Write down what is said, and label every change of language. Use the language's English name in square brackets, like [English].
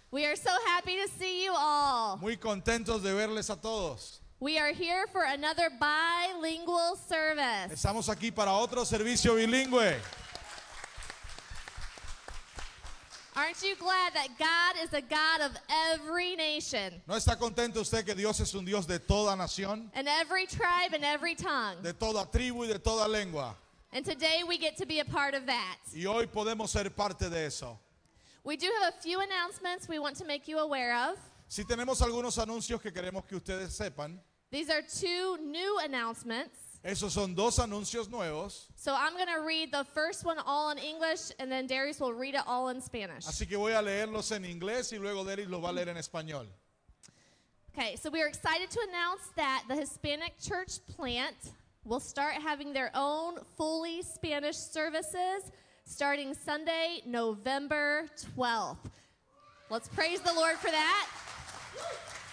[English] We are so happy to see you all. [Spanish] Muy contentos de verles a todos. [English] We are here for another bilingual service. [Spanish] Estamos aquí para otro servicio bilingüe. [English] Aren't you glad that God is a God of every nation? [Spanish] ¿No está contento usted que Dios es un Dios de toda nación? [English] And every tribe and every tongue. [Spanish] De toda tribu y de toda lengua. [English] And today we get to be a part of that. [Spanish] Y hoy podemos ser parte de eso. [English] We do have a few announcements we want to make you aware of. [Spanish] Si tenemos algunos anuncios que queremos que ustedes sepan. [English] These are two new announcements. [Spanish] Esos son dos anuncios nuevos. [English] So I'm going to read the first one all in English, and then Darius will read it all in Spanish. [Spanish] Así que voy a leerlos en inglés y luego Darius los va a leer en español. [English] Okay, so we are excited to announce that the Hispanic Church Plant will start having their own fully Spanish services starting Sunday, November 12th. Let's praise the Lord for that.